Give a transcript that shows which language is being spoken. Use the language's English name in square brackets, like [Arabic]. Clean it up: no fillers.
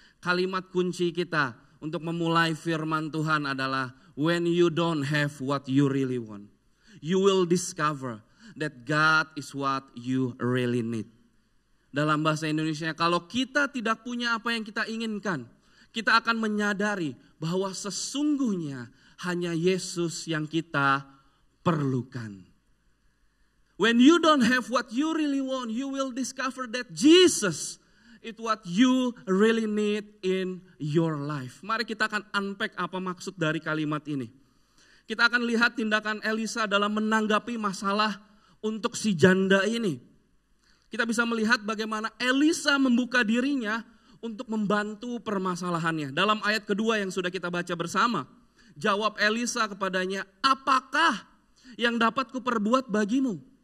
[Indonesian] Kalimat kunci kita untuk memulai firman Tuhan adalah, [English] when you don't have what you really want, you will discover that God is what you really need. [Indonesian] Dalam bahasa Indonesia, kalau kita tidak punya apa yang kita inginkan, kita akan menyadari bahwa sesungguhnya hanya Yesus yang kita perlukan. [English] When you don't have what you really want, you will discover that Jesus is what you really need in your life. [Indonesian] Mari kita akan unpack apa maksud dari kalimat ini. Kita akan lihat tindakan Elisa dalam menanggapi masalah untuk si janda ini. Kita bisa melihat bagaimana Elisa membuka dirinya untuk membantu permasalahannya. Dalam ayat kedua yang sudah kita baca bersama, jawab Elisa kepadanya, apakah yang dapat kuperbuat bagimu?